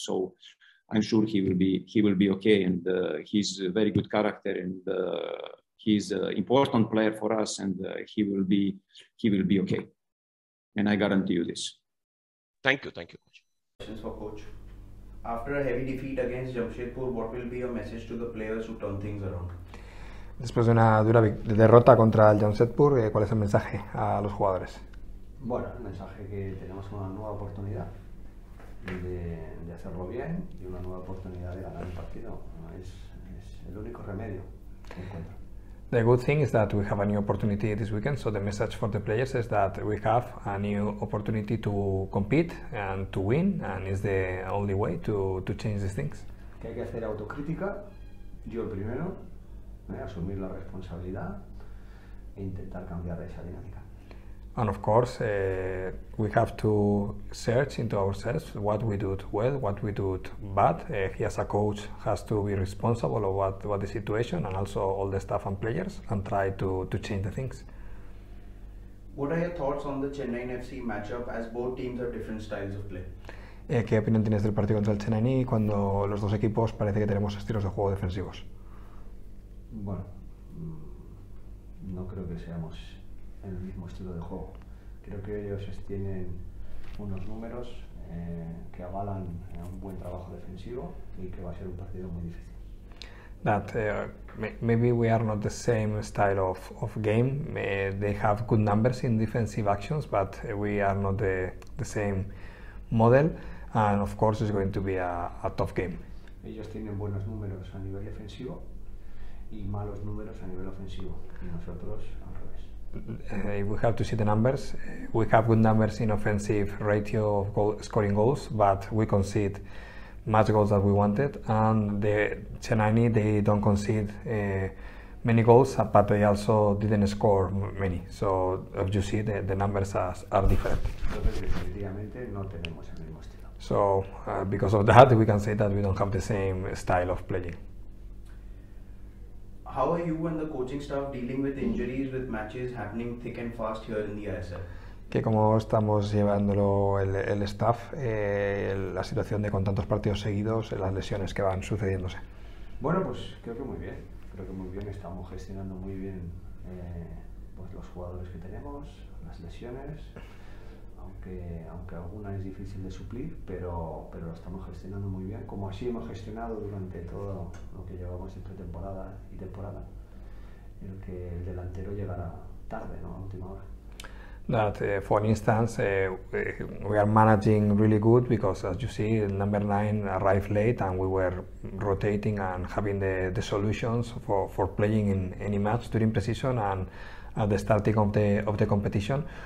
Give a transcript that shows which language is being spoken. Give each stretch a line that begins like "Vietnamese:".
English: So I'm sure he will be okay, and he's a very good character, and he's an important player for us, and he will be okay, and I guarantee you this. Thank you, coach. Questions for coach. After a heavy defeat against Jamshedpur, what will be your message to the players to turn things around?
Spanish: Después de una dura derrota contra el Jamshedpur, ¿cuál es el mensaje a los jugadores? Bueno, el mensaje que tenemos una nueva oportunidad. De hacerlo bien y una nueva oportunidad de ganar el partido. Es el único remedio que encuentro.
English: The good thing is that we have a new opportunity this weekend, so the message for the players is that we have a new opportunity to compete and to win, and it's the only way to change these things.
Spanish: Que hay que hacer autocrítica, yo el primero, asumir la responsabilidad e intentar cambiar esa dinámica.
English: And of course, we have to search into ourselves what we do well, what we do bad. He as a coach has to be responsible of what the situation, and also all the staff and players, and try to change the things. What are your thoughts on the Chennaiyin FC matchup, as both teams have different styles of play?
Spanish: ¿Qué opinión tienes del partido contra el Chennaiyin cuando los dos equipos parece que tenemos estilos de juego defensivos? Bueno, no creo que seamos en el mismo estilo de juego. Creo que ellos tienen unos números que avalan un buen trabajo defensivo y que va a ser un partido muy difícil.
English: That maybe we are not the same style of game. They have good numbers in defensive actions, but we are not the same model. And of course, it's going to be a tough game.
Spanish: Ellos tienen buenos números a nivel defensivo y malos números a nivel ofensivo. Y nosotros al revés.
English: If we have to see the numbers, we have good numbers in offensive ratio of scoring goals, but we concede much goals that we wanted, and the Chennaiyin, they don't concede many goals, but they also didn't score many. So if you see, the numbers are different. So because of that, we can say that we don't have the same style of playing. How are you and the coaching staff dealing with injuries, with matches happening thick and fast here in the ISL?
Spanish: Que como estamos llevándolo el staff, la situación de con tantos partidos seguidos, las lesiones que van sucediéndose. Bueno, pues creo que muy bien. Creo que muy bien. Estamos gestionando muy bien pues los jugadores que tenemos, las lesiones, aunque alguna es difícil de suplir, pero lo estamos gestionando muy bien, como así hemos gestionado durante todo lo que llevamos en pretemporada y temporada, el que el delantero llegara tarde, ¿no? A última hora.
English: That for instance, we are managing really good because, as you see, number 9 arrived late and we were rotating and having the solutions for playing in any match during pre-season and at the starting of the competition.